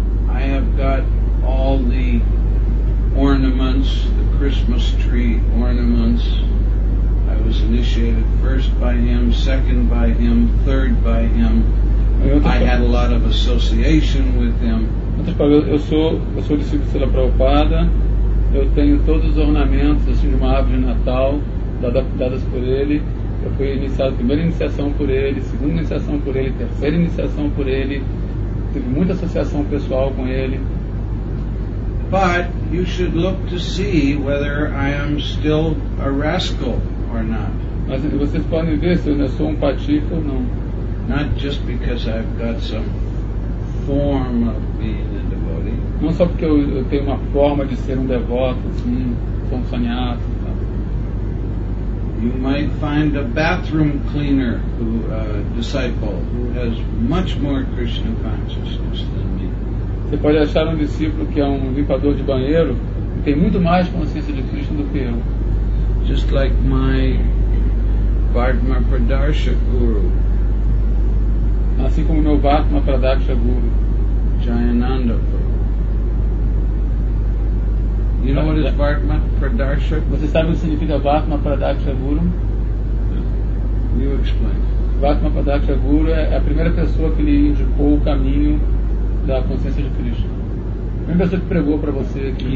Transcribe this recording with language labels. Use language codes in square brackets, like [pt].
[en] I have got all the ornaments, the Christmas tree ornaments. I was initiated first by him, second by him, third by him. I had a lot of association with him. [pt] Eu sou discípulo de Srila Prabhupada, eu tenho todos os ornamentos assim, de uma árvore de Natal dadas por ele. Eu fui iniciado, primeira iniciação por ele, segunda iniciação por ele, terceira iniciação por ele, tive muita associação pessoal com ele. [en] But you should look to see whether I am still a rascal or not. [pt] Mas vocês podem ver se eu ainda sou um patife ou não. [en] Not just because I've got some form of being a devotee. [pt] Não só porque eu tenho uma forma de ser um devoto, assim, sou um sannyasi. [en] You might find a bathroom cleaner who a disciple who has much more Krishna consciousness than me. [pt] Você pode achar um discípulo que é um limpador de banheiro que tem muito mais consciência de Krishna do que eu. [en] Just like my Vardhma Pradarsha Guru. [pt] Assim como meu Vatma Pradaksha Guru, [en] Jayananda Prabhu. You know what is Vatma Pradaksha? [pt] Você sabe o que significa Vatma Pradaksha Guru? [en] You explain. [pt] Vatma Pradaksha Guru é a primeira pessoa que lhe indicou o caminho da consciência de Krishna. A primeira pessoa que pregou para você aqui.